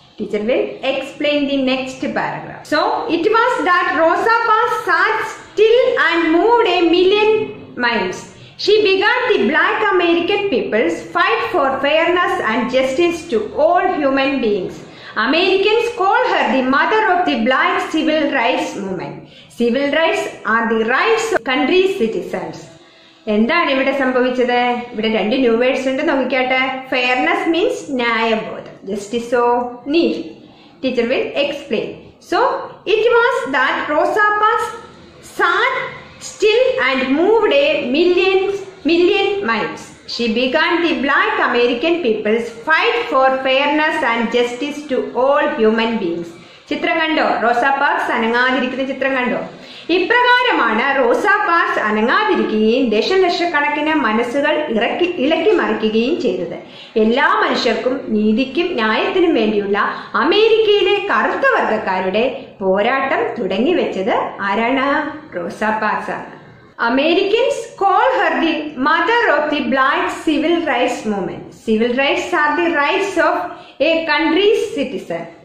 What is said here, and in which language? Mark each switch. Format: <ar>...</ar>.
<en>Teacher will explain the next paragraph. So it was that Rosa Parks sat still and moved a million minds. She began the black American people's fight for fairness and justice to all human beings. Americans call her the mother of the black civil rights movement. Civil rights are the rights of country citizens.</en> <ml>എന്താണ് ഇവിടെ സംഭവിച്ചത്? ഇവിടെ രണ്ട് new words ഉണ്ട്, നോക്കിക്കട്ടെ. Fairness means ന്യായബോധം, justice ഓ നീതി.</ml> <en>Teacher will explain. So it was that Rosa Parks sat still and moved a million minds. She began the black American people's fight for fairness and justice to all human beings.</en> <ml>ചിത്രം കണ്ടോ? റോസാ parks അനങ്ങാതിരിക്കുന്ന ചിത്രം കണ്ടോ? ഇപ്രകാരമാണ് റോസാ parks അനങ്ങാതിരിക്കുകയും ദശലക്ഷക്കണക്കിന് മനസ്സുകൾ ഇളക്കി മറിക്കുകയും ചെയ്തത്. എല്ലാ മനുഷ്യർക്കും നീതിക്കും ന്യായത്തിനും വേണ്ടിയുള്ള അമേരിക്കയിലെ കറുത്ത വർഗക്കാരുടെ പോരാട്ടം തുടങ്ങി വെച്ചത് ആരാണ്? റോസാ പാർക്സ് ആണ്.</ml> <en>Americans call her the mother of the black civil rights movement. Civil rights are the rights of a country's citizen.</en>